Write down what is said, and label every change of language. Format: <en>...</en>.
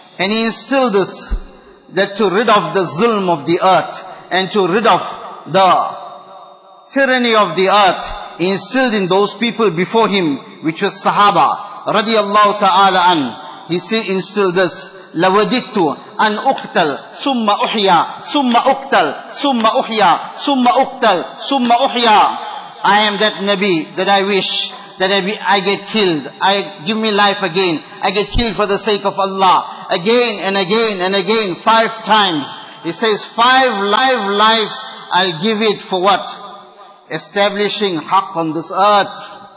<en>And he instilled this, that to rid of the zulm of the earth and to rid of the tyranny of the earth, he instilled in those people before him, which was Sahaba.</en> <ar>رضي الله تعالى عن.</ar> <en>He still instilled this.</en> <ar>لوددت أن أقتل ثم أحيا ثم أقتل ثم أحيا ثم أقتل ثم أحيا.</ar> <en>I am that Nabi that I wish that I get killed. I give me life again. I get killed for the sake of Allah. Again and again and again, 5 times. He says 5 live lives I'll give it for what? Establishing Haq on this earth.</en>